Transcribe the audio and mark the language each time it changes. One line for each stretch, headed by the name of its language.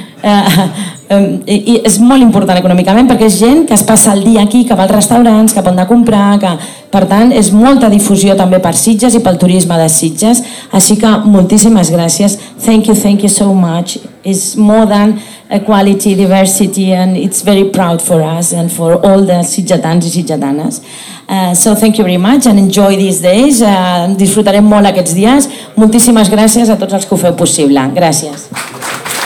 Catalan: és molt important econòmicament perquè és gent que es passa el dia aquí, que va als restaurants, que pot anar a comprar, que... Per tant, és molta difusió també per Sitges i pel turisme de Sitges. Així que moltíssimes gràcies.
English: Thank you so much. It's more than equality, diversity, and it's very proud for us and for all the Sitgetans i Sitgetanes. So thank you very much and enjoy these days.
Catalan: Disfrutarem molt aquests dies. Moltíssimes gràcies a tots els que ho feu possible. Gràcies.